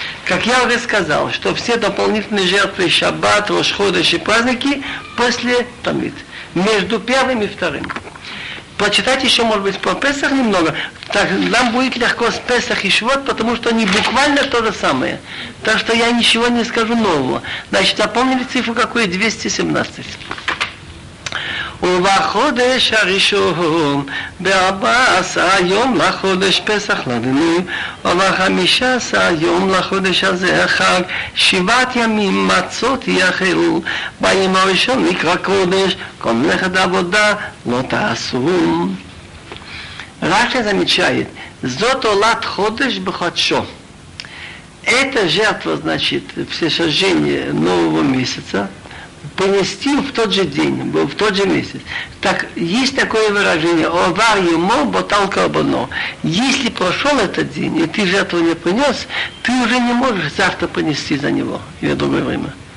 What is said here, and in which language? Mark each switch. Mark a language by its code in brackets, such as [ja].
[ru] Как я уже сказал, что все дополнительные жертвы, шаббат, рошходыш и праздники, после тамид, между первым и вторым. Почитать еще, может быть, про Песах немного. Так нам будет легко с Песах и Швот, потому что они буквально то же самое. Так что я ничего не скажу нового. Значит, запомнили цифру какую? 217. [he] ובחודש הראשון, ב-14 יום לחודש פסח לנו, וב-15 יום לחודש הזה החג, שבעת ימים מצות יחרו, בימים הראשון נקרא קודש, כל מלאכת עבודה לא תעשו. רק איזה מתשעת, זאת עולת חודש בחודשו. [ru] Это жертва, значит, всесожжение нового месяца, принести в тот же день, в тот же месяц. Так, есть такое выражение, [he] овар ему боталкабано. [ru] Если прошел этот день, и ты жертву не принес, ты уже не можешь завтра понести за него, я думаю, время.